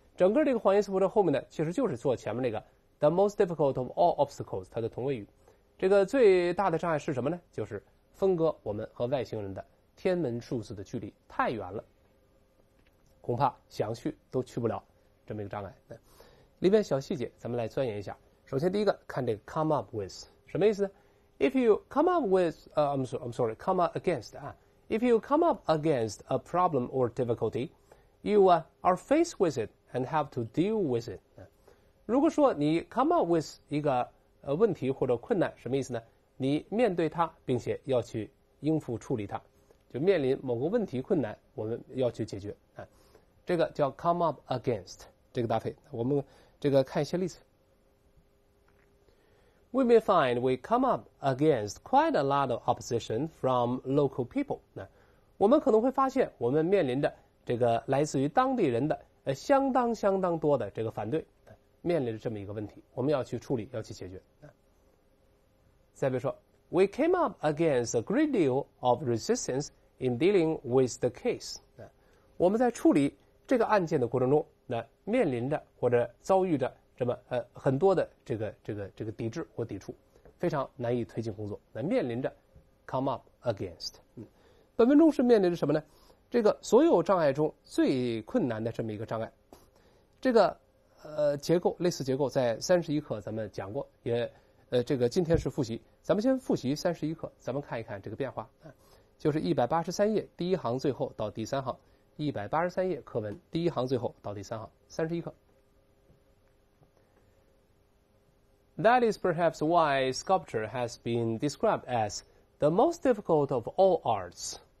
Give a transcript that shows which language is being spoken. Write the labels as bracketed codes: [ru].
[zh] 整个这个环形词破折后面呢，其实就是做前面那个 [en] the most difficult of all obstacles [zh] 它的同位语。这个最大的障碍是什么呢？就是分隔我们和外星人的天文数字的距离太远了，恐怕想去都去不了，这么一个障碍。里面小细节咱们来钻研一下。首先第一个，看这个 come up with 什么意思呢？ [en] If you come up with come against if you come up against a problem or difficulty， you are faced with it and have to deal with it。 [zh] 如果说你 come up with 一个问题或者困难，什么意思呢？你面对它并且要去应付处理它，就面临某个问题困难，我们要去解决这个叫 come up against。这个搭配，我们这个看一些例子。 [en] We may find we come up against quite a lot of opposition from local people。 [zh] 那我们可能会发现，我们面临着这个来自于当地人的相当多的这个反对，面临着这么一个问题，我们要去处理，要去解决。 [en] 再比如说 ，We came up against a great deal of resistance in dealing with the case。 [zh] 我们在处理这个案件的过程中，那面临着或者遭遇着这么很多的这个抵制或抵触，非常难以推进工作。那面临着 come up against， 本文中是面临着什么呢？这个所有障碍中最困难的这么一个障碍。这个结构类似结构在31课咱们讲过，也这个今天是复习，咱们先复习31课，咱们看一看这个变化就是183页第一行最后到第三行。 183页课文第一行最后到第三行31课。 [en] That is perhaps why sculpture has been described as the most difficult of all arts。